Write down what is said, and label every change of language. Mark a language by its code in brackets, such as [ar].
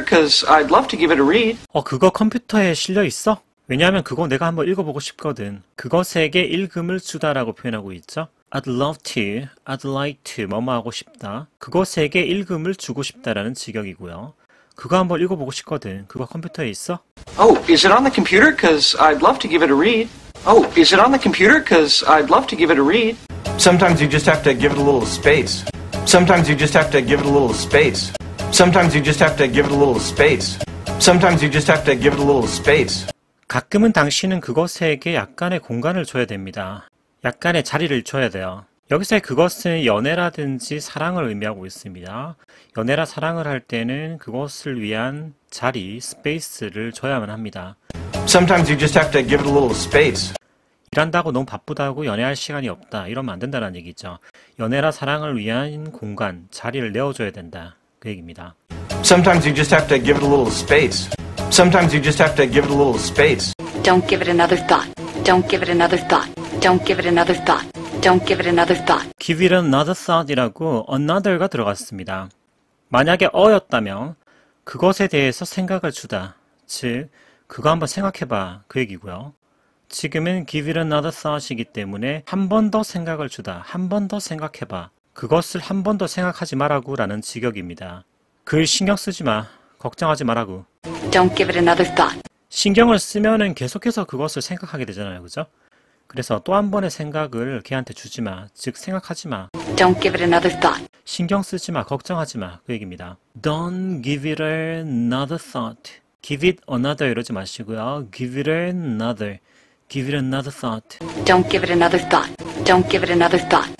[en] Because I'd love to give it a read. [ko] 그거 컴퓨터에 실려 있어? 왜냐하면 그거 내가 한번 읽어보고 싶거든. 그것에게 읽음을 주다라고 표현하고 있죠. [en] I'd love to, I'd like to, [ko] 뭐뭐 하고 싶다. 그것에게 읽음을 주고 싶다라는 직역이고요. 그거 한번 읽어보고 싶거든. 그거 컴퓨터에 있어? [en] Oh, is it on the computer? Because I'd love to give it a read. Oh, is it on the computer? Because I'd love to give it a read. Sometimes you just have to give it a little space. Sometimes you just have to give it a little space. Sometimes you just have to give it a little space. Sometimes you just have to give it a little space. [ko] 가끔은 당신은 그것에게 약간의 공간을 줘야 됩니다. 약간의 자리를 줘야 돼요. 여기서의 그것은 연애라든지 사랑을 의미하고 있습니다. 연애라 사랑을 할 때는 그것을 위한 자리, 스페이스를 줘야만 합니다. [en] Sometimes you just have to give it a little space. [ko] 일한다고 너무 바쁘다고 연애할 시간이 없다. 이러면 안 된다는 얘기죠. 연애라 사랑을 위한 공간, 자리를 내어줘야 된다. 그 얘기입니다. [en] Sometimes you just have to give it a little space. Sometimes you just have to give it a little space. Don't give it another thought. Don't give it another thought. Don't give it another thought. Don't give it another thought. Give it another thought [ko] 이라고 another가 들어갔습니다. 만약에 어였다면 그것에 대해서 생각을 주다. 즉, 그거 한번 생각해봐. 그 얘기고요. 지금은 [en] give it another thought [ko] 이기 때문에 한 번 더 생각을 주다. 한 번 더 생각해봐. 그것을 한 번 더 생각하지 마라고 라는 직역입니다. 글 신경 쓰지 마. 걱정하지 마라고. [en] Don't give it another thought. [ko] 신경을 쓰면은 계속해서 그것을 생각하게 되잖아요. 그죠? 그래서 또 한 번의 생각을 걔한테 주지 마. 즉 생각하지 마. [en] Don't give it another thought. [ko] 신경 쓰지 마. 걱정하지 마. 그 얘기입니다. [en] Don't give it another thought. Give it another [ko] 이러지 마시고요. [en] Give it another. Give it another thought. Don't give it another thought. Don't give it another thought.